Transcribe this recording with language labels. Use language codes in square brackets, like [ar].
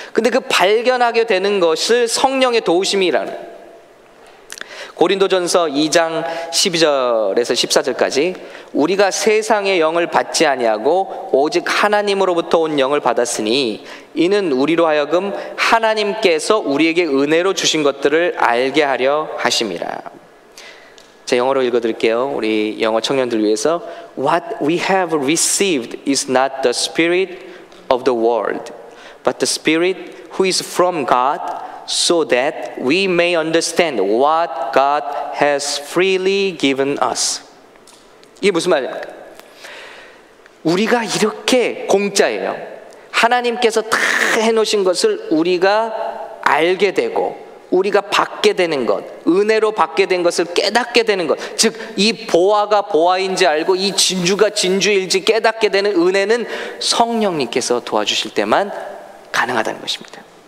[ko] 근데 그 발견하게 되는 것을 성령의 도우심이라는 고린도전서 2장 12절에서 14절까지 우리가 세상의 영을 받지 아니하고 오직 하나님으로부터 온 영을 받았으니 이는 우리로 하여금 하나님께서 우리에게 은혜로 주신 것들을 알게 하려 하심이라. 자, 영어로 읽어드릴게요. 우리 영어 청년들 위해서. [en] What we have received is not the spirit of the world, but the spirit who is from God, so that we may understand what God has freely given us. [ko] 이게 무슨 말입니까? 우리가 이렇게 공짜예요. 하나님께서 다 해놓으신 것을 우리가 알게 되고 우리가 받게 되는 것, 은혜로 받게 된 것을 깨닫게 되는 것, 즉 이 보화가 보화인지 알고 이 진주가 진주일지 깨닫게 되는 은혜는 성령님께서 도와주실 때만 가능하다는 것입니다.